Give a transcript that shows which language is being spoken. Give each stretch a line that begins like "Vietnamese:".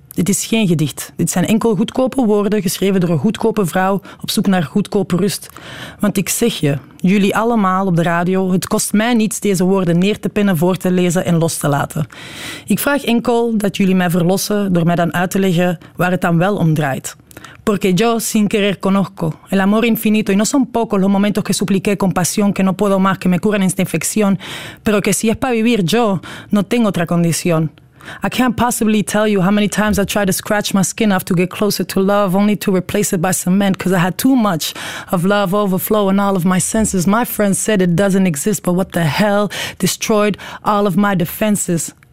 Dutch: Dit is geen gedicht. Dit zijn enkel goedkope woorden, geschreven door een goedkope vrouw op zoek naar goedkope rust. Want ik zeg je, jullie allemaal op de radio, het kost mij niets deze woorden neer te pinnen, voor te lezen en los te laten. Ik vraag enkel dat jullie mij verlossen door mij dan uit te leggen waar het dan wel om draait.
Spanish: Porque yo sin querer conozco el amor infinito y no son pocos los momentos que supliqué con pasión que no puedo más que me curan esta infección, pero que si es para vivir yo no tengo otra condición.
English: I can't possibly tell you how many times I tried to scratch my skin off to get closer to love, only to replace it by cement, because I had too much of love overflow in all of my senses. My friends said it doesn't exist, but what the hell destroyed all of my defenses?